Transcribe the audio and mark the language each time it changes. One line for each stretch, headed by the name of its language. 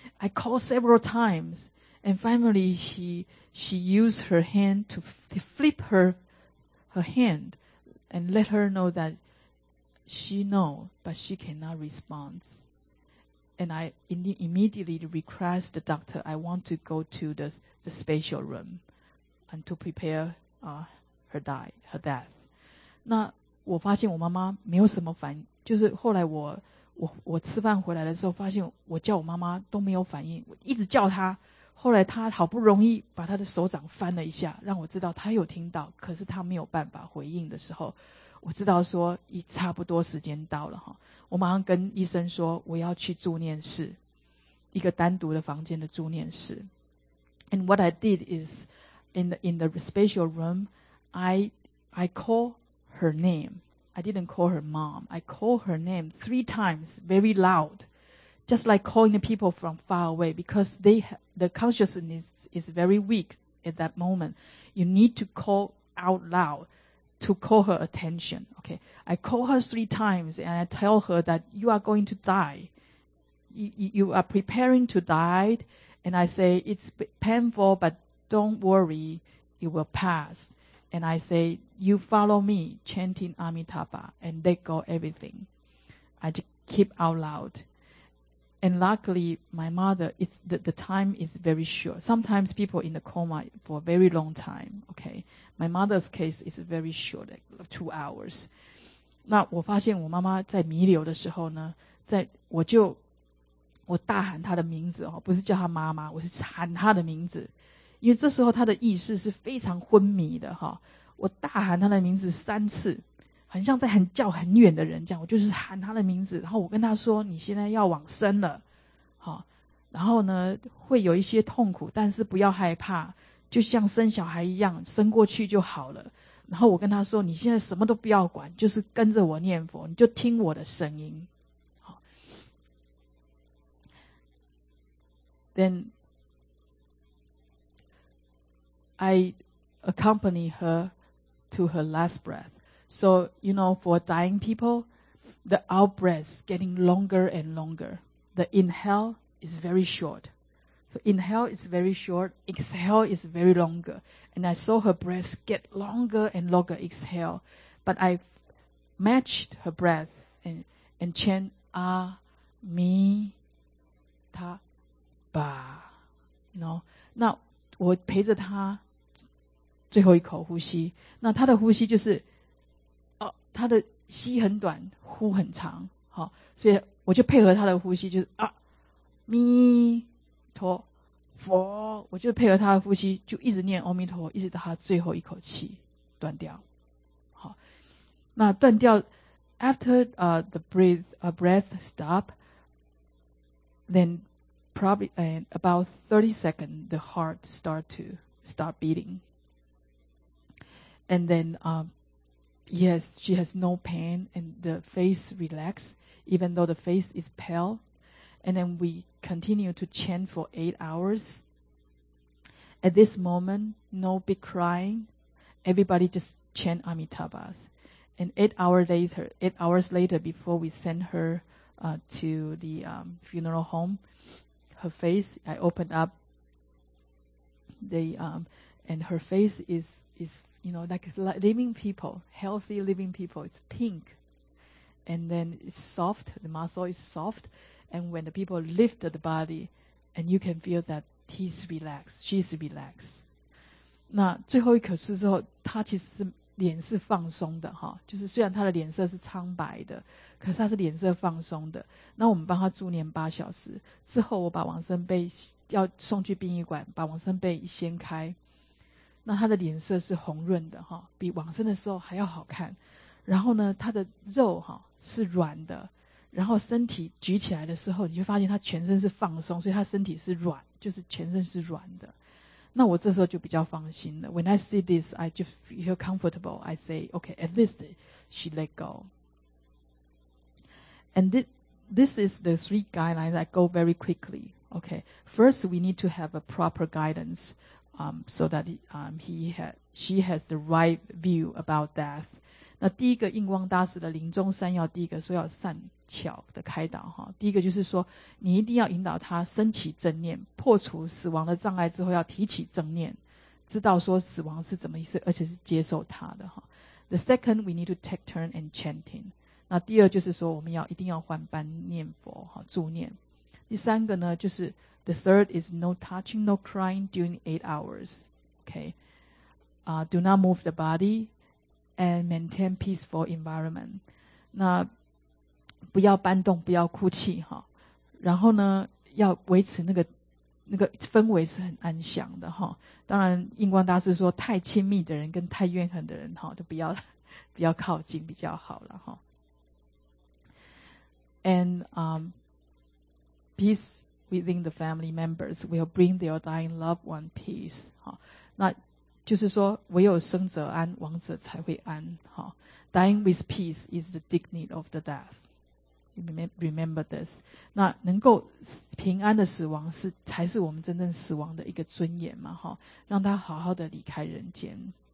English: I called several times, and finally she used her hand to flip her hand and let her know that she know, but she cannot respond. And I immediately request the doctor, I want to go to the special room and to prepare her death.
Chinese: 那我发现我妈妈没有什么反应，就是后来我吃饭回来的时候，发现我叫我妈妈都没有反应，我一直叫她，后来她好不容易把她的手掌翻了一下，让我知道她有听到，可是她没有办法回应的时候，我知道说已差不多时间到了哈，我马上跟医生说我要去助念室，一个单独的房间的助念室。
English: And what I did is in the special room, I call her name. I didn't call her mom. I called her name 3 times, very loud. Just like calling the people from far away, because the consciousness is very weak at that moment. You need to call out loud to call her attention. Okay. I called her 3 times and I tell her that you are going to die. You are preparing to die. And I say, it's painful, but don't worry. It will pass. And I say, you follow me, chanting Amitabha, and let go everything. I just keep out loud. And luckily, my mother, the time is very short. Sometimes people in the coma for a very long time, okay? My mother's case is very short, like 2 hours.
Chinese: 那我发现我妈妈在弥留的时候呢，我大喊她的名字哦，不是叫她妈妈，我是喊她的名字。因为这时候他的意识是非常昏迷的哈，我大喊他的名字3次，很像在叫很远的人这样，我就是喊他的名字，然后我跟他说你现在要往生了，然后呢会有一些痛苦，但是不要害怕，就像生小孩一样，生过去就好了。然后我跟他说你现在什么都不要管，就是跟着我念佛，你就听我的声音。
English: 好 Then,I accompany her to her last breath. So, you know, for dying people, the outbreath is getting longer and longer. The inhale is very short. So inhale is very short, exhale is very longer. And I saw her breath get longer and longer, exhale. But I matched her breath and chant, Amitabha. No.
Chinese: 那我陪着她最后一口呼吸，那她的呼吸就是她的吸很短，呼很长，好，所以我就配合她的呼吸，就是弥陀佛，我就配合她的呼吸，就一直念阿弥陀佛，一直到她最后一口气断掉。好，那断掉
English: ，after the breath breath stop, then probably about 30 seconds the heart start beating, and then yes, she has no pain, and the face relaxed, even though the face is pale. And then we continue to chant for 8 hours. At this moment, no big crying. Everybody just chant Amitabha. And 8 hours later, 8 hours later, before we send her to the funeral home, her face, I opened up the, and her face is you know, like living people, healthy living people. It's pink. And then it's soft, the muscle is soft. And when the people lift the body, and you can feel that he's relaxed, she's relaxed.
Chinese: 那最后一口气之后，他其实是脸是放松的哈，就是虽然他的脸色是苍白的，可是他是脸色放松的。那我们帮他助念八小时之后，我把往生被要送去殡仪馆，把往生被掀开，那他的脸色是红润的哈，比往生的时候还要好看。然后呢，他的肉哈是软的。然后身体举起来的时候，你就发现他全身是放松，所以他身体是软，就是全身是软的。那我这时候就比较放心了。
English: When I see this, I just feel comfortable. I say, okay, at least she let go. And this is the three guidelines that go very quickly. Okay, first we need to have a proper guidance, so that she has the right view about death.
Chinese: 那第一个印光大师的临终三要，第一个说要善巧的开导哈，第一个就是说你一定要引导他升起正念，破除死亡的障碍之后要提起正念，知道说死亡是怎么意思，而且是接受他的哈。
English: The second, we need to take turn and chanting.
Chinese: 那第二就是说我们要一定要换班念佛哈，助念。第三个呢，就是
English: the third is no touching, no crying during 8 hours. Okay, do not move the body and maintain peaceful environment.
Chinese: 那不要搬动，不要哭泣哈，然后呢，要维持那个氛围是很安详的哈。当然，印光大师说，太亲密的人跟太怨恨的人哈，都不要靠近比较好了哈。
English: And peace within the family members will bring their dying loved one peace 哈。
Chinese: 那就是说，唯有生者安，亡者才会安哈。
English: Dying with peace is the dignity of the death. Remember this.
Chinese: 那能够平安的死亡是才是我们真正死亡的一个尊严嘛，哈，让他好好的离开人间。